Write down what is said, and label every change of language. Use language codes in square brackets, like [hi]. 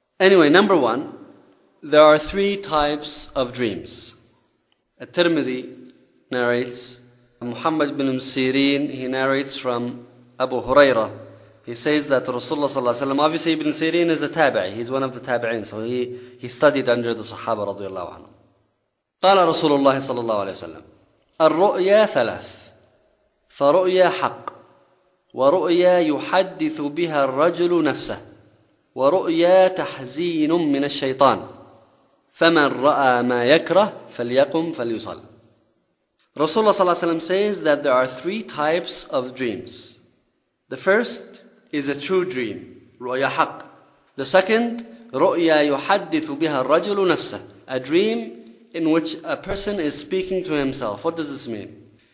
[en] Anyway, number one, there are three types of dreams. At-Tirmidhi narrates, Muhammad ibn Sirin, he narrates from Abu Hurairah. He says that Rasulullah sallallahu alaihi wasallam, obviously ibn Sirin is a tabi'i, he's one of the tabi'in, so he studied under the Sahaba radiallahu anhu. [ar] قال رسول الله صلى الله عليه وسلم الرؤيا ثلاث فرؤيا حق ورؤيا يحدث بها الرجل نفسه ورؤيا تحزين من الشيطان فمن رأى ما يكره فليقم فليصل. [en] Rasulullah sallallahu alaihi wasallam says that there are three types of dreams. The first is a true dream, ru'ya haqq. The second, ru'ya yuhaddithu biha ar-rajulu nafsah, a dream in which a person is speaking to himself. What does this mean?